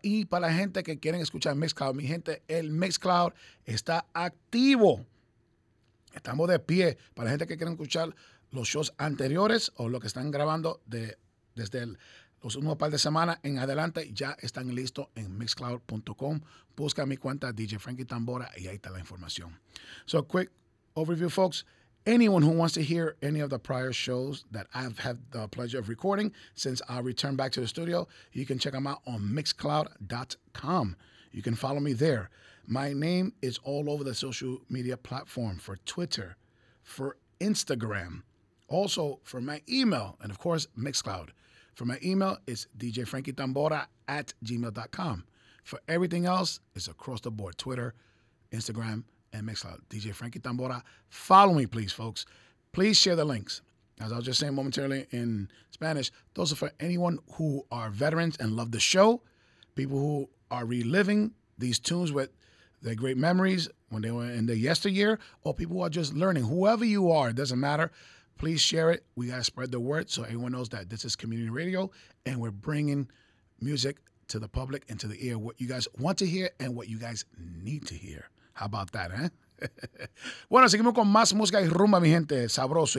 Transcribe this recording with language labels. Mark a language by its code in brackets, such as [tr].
[es] Y para la gente que quieren escuchar Mixcloud, mi gente, el Mixcloud está activo. Estamos de pie. Para la gente que quieren escuchar los shows anteriores o lo que están grabando desde los últimos par de semanas en adelante, ya están listos en Mixcloud.com. Busca mi cuenta DJ Frankie Tambora y ahí está la información. [en] So, quick overview, folks. Anyone who wants to hear any of the prior shows that I've had the pleasure of recording since I returned back to the studio, you can check them out on Mixcloud.com. You can follow me there. My name is all over the social media platform, for Twitter, for Instagram, also for my email, and of course, Mixcloud. For my email, it's djfrankietambora@gmail.com. For everything else, it's across the board, Twitter, Instagram, and Mixcloud, DJ Frankie Tambora. Follow me, please, folks. Please share the links. As I was just saying momentarily in Spanish, those are for anyone who are veterans and love the show, people who are reliving these tunes with their great memories when they were in the yesteryear, or people who are just learning. Whoever you are, it doesn't matter. Please share it. We got to spread the word so everyone knows that this is community radio and we're bringing music to the public and to the ear, what you guys want to hear and what you guys need to hear. How about that, eh? [es] Bueno, seguimos con más música y rumba, mi gente, sabroso.